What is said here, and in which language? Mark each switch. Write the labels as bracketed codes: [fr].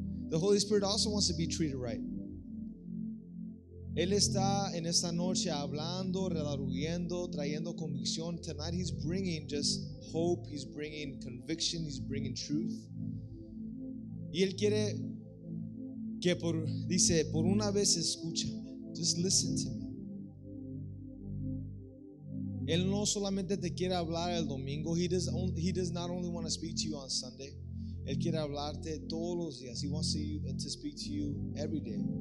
[en] The Holy Spirit also wants to be treated right. [es] Él está en esta noche hablando, redarguyendo, trayendo convicción. [en] Tonight He's bringing just hope, He's bringing conviction, He's bringing truth. [es] Y Él quiere que por una vez escúchame. [en] Just listen to me. [es] Él no solamente te quiere hablar el domingo. [en] He does not only want to speak to you on Sunday. [es] Él quiere hablarte todos los días. [en] He wants to speak to you every day.